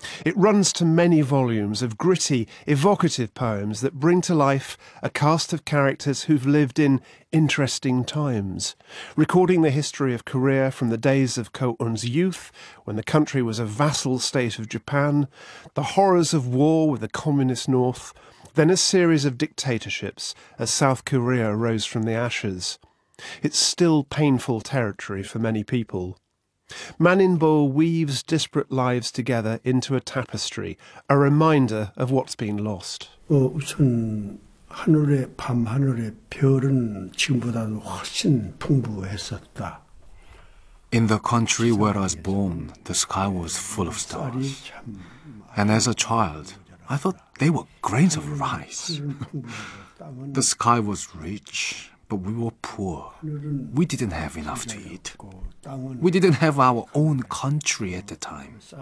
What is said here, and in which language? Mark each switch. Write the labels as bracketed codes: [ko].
[en] It runs to many volumes of gritty, evocative poems that bring to life a cast of characters who've lived in interesting times, recording the history of Korea from the days of Ko Un's youth, when the country was a vassal state of Japan, the horrors of war with the communist North, then a series of dictatorships as South Korea rose from the ashes. It's still painful territory for many people. Maninbo weaves disparate lives together into a tapestry, a reminder of what's been lost. [ko] 우선 하늘의 밤 하늘의 별은 지금보다 훨씬 풍부했었다. [en] In the country where I was born, the sky was full of stars. And as a child, I thought they were grains of rice. The sky was rich, but we were poor. We didn't have enough to eat. We didn't have our own country at the time.